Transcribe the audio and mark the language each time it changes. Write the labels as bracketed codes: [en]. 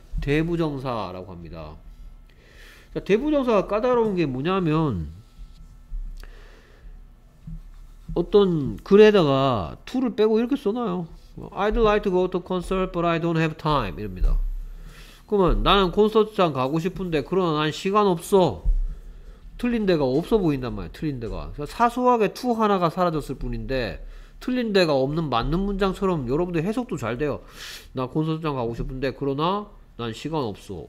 [ko] 대부정사라고 합니다. 자, 대부정사가 까다로운 게 뭐냐면 어떤 글에다가 to를 빼고 이렇게 써놔요. [en] I'd like to go to concert, but I don't have time. [ko] 이럽니다. 그러면 나는 콘서트장 가고 싶은데 그러나 난 시간 없어. 틀린 데가 없어 보인단 말이야. 틀린 데가 사소하게 to 하나가 사라졌을 뿐인데 틀린 데가 없는 맞는 문장처럼 여러분들 해석도 잘 돼요. 나 콘서트장 가고 싶은데 그러나 난 시간 없어.